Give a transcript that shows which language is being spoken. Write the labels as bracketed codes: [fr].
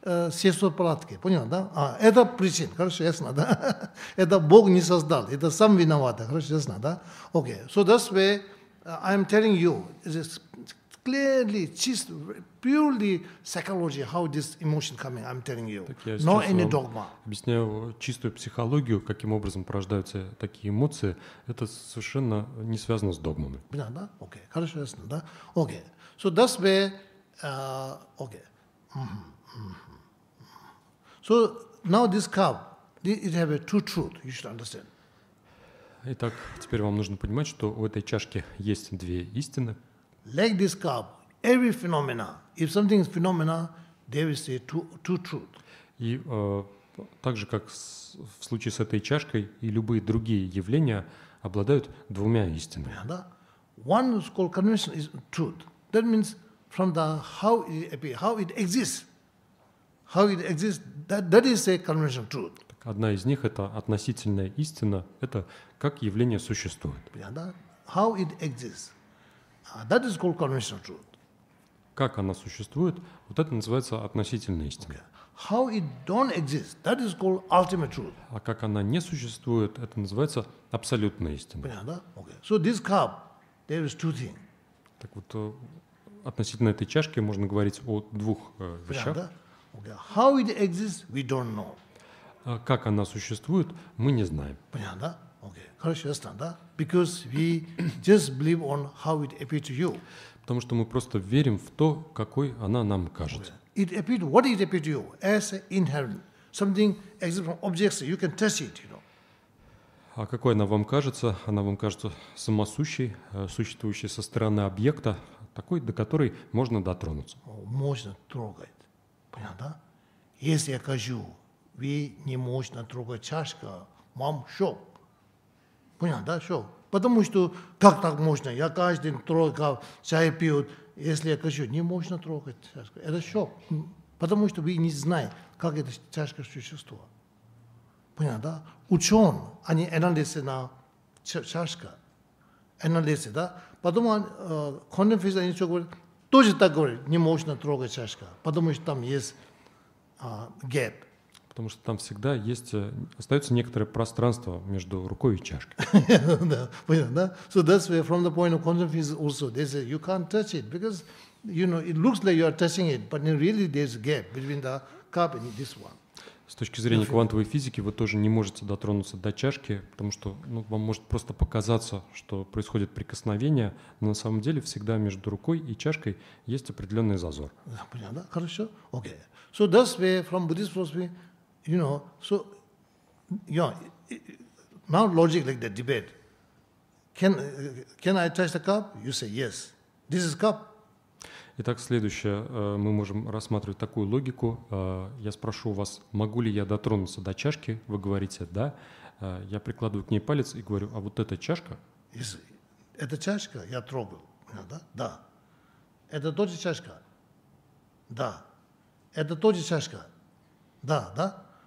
[ru] Все палатки, понял, да? Это причина, хорошо, ясно, да? Это Бог не создал, это сам виноват, хорошо, ясно, да? [en] Okay, so that's why I'm telling you, it's clearly, just purely psychology, how this emotion coming, I'm telling you. Not any dogma. [ru] Объясняю чистую психологию, каким образом порождаются такие эмоции, это совершенно не связано с догмами. Понял, да? [en] Okay, [ru] хорошо, ясно, да? [en] Okay, so that's why okay. So now this cup, it have two truth. You should understand. [ru] Итак, теперь вам нужно понимать, что у этой чашки есть две истины. [en] Like this cup, every phenomena, if something is phenomena, there is two truth. [ru] И так же, как в случае с этой чашкой и любые другие явления обладают двумя истинами. [en] Yeah, да? One is called conviction is truth. That means from the how it appears, how it exists, that is a conventional truth. [ru] Одна из них это относительная истина, это как явление существует. [en] How it exists, that is called conventional truth. [ru] Как она существует, вот это называется относительная истина. [en] Okay. How it don't exist, that is called ultimate truth. [ru] А как она не существует, это называется абсолютная истина. [en] Okay. So this cup, there is two things. [ru] Так вот. Относительно этой чашки можно говорить о двух вещах. Понятно? [en] How it exists, we don't know. [ru] Как она существует, мы не знаем. Понятно? Okay. Хорошо, я понял, да? [en] Because we just believe on how it appears to you. [ru] Потому что мы просто верим в то, какой она нам кажется. [en] Okay. It appears. What it appears to you as inherent something exists from objects. You can test it, you know. [ru] А какой она вам кажется? Она вам кажется самосущей, существующей со стороны объекта, такой, до которой можно дотронуться. Можно трогать. Понятно, да? Если я кажу, вы не можете трогать чашку, вам шок. Понятно, да, шок? Потому что как так можно? Я каждый день трогал, чай пью. Если я кажу, не можно трогать чашку, это шок. Потому что вы не знаете, как эта чашка существует. Понятно, да? Ученые, они анализы на чашка. Анализы, да? Потом Коннефис, они что говорят? Тоже так говорят, не можно трогать чашка, потому что там есть гэп. Потому что там всегда есть, остается некоторое пространство между рукой и чашкой. Да, понятно, да? [en] So that's where, from the point of Коннефис also, they say, you can't touch it, because, you know, it looks like you are touching it, but really there's gap between the cup and this one. [ru] С точки зрения квантовой физики вы тоже не можете дотронуться до чашки, потому что ну, вам может просто показаться, что происходит прикосновение, но на самом деле всегда между рукой и чашкой есть определенный зазор. Понятно, хорошо? Okay. [en] So that's where from Buddhist philosophy, you know, so you know, now logic like the debate. Can I touch the cup? You say yes. This is cup. [ru] Итак, следующее, мы можем рассматривать такую логику. Я спрошу у вас, могу ли я дотронуться до чашки? Вы говорите «да». Я прикладываю к ней палец и говорю, а вот эта чашка? Эта чашка я трогал, да? Да. Это тоже чашка? Да. Это тоже чашка? Да, да.